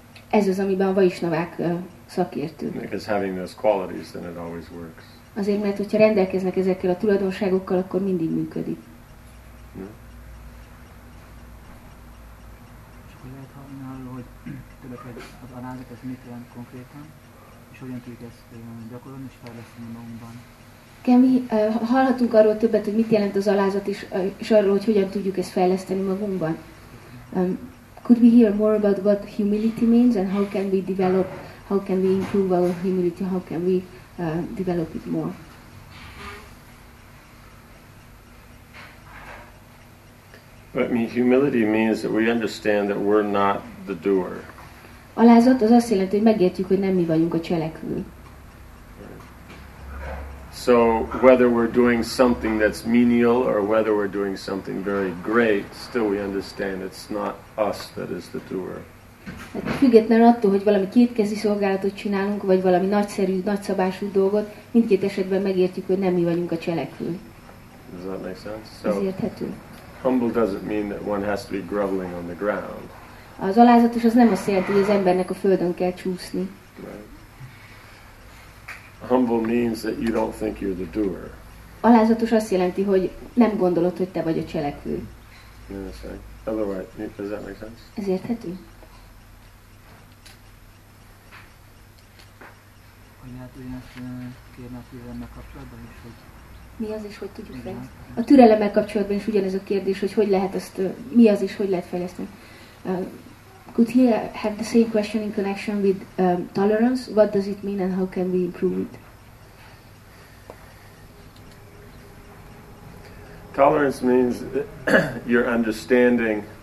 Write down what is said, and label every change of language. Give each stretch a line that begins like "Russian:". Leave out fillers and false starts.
Hungarian: Ez az, amiben a Vaishnavák szakértők.
English: Because having those qualities, then it always works.
Hungarian: Azért, mert hogyha rendelkeznek ezekkel a tulajdonságokkal, akkor mindig működik. És akkor lehet hallani, hogy többeket az alázat, ez mit jelent konkrétan, és hogyan tudjuk ezt gyakorolni, és fejleszteni magunkban. Kemi, hallhatunk arról többet, hogy mit jelent az alázat, és arról, hogy hogyan tudjuk ezt fejleszteni magunkban.
English: Could we hear more about what humility means and how can we improve our humility, how can we develop it more? But I mean, humility means that we understand that we're not the doer.
Hungarian: Alázat az azt jelenti, hogy megértjük, hogy nem mi vagyunk a cselekvő.
English: So whether we're doing something that's menial or whether we're doing something very great, still we understand it's not us that is the doer.
Hungarian: Független attól, hogy valami kétkezi szolgálatot csinálunk, vagy valami nagyszerű, nagyszabású dolgot, mindkét esetben megértjük, hogy nem mi vagyunk a cselekvő.
English: Does that make sense?
Hungarian: So, ez érthető.
English: Humble doesn't mean that one has to be groveling on the ground.
Hungarian: Az alázatos az nem azt jelenti, hogy az embernek a földön kell csúszni.
English: Right. Humble means that you don't think you're the doer.
Hungarian: Alázatos azt jelenti, hogy nem gondolod, hogy te vagy a cselekvő.
English: Yes, right. Otherwise, does that make sense?
Hungarian: Ez érthető? Hogy lehet ugyanazt kérni a türelemmel kapcsolatban is, hogy... Mi az is, hogy tudjuk fejleszteni? A türelemmel kapcsolatban is ugyanez a kérdés, hogy hogy lehet ezt, mi az is, hogy lehet fejleszteni.
English: Could he have the same question in connection with tolerance? What does it mean and how can we improve it? Tolerance means your understanding.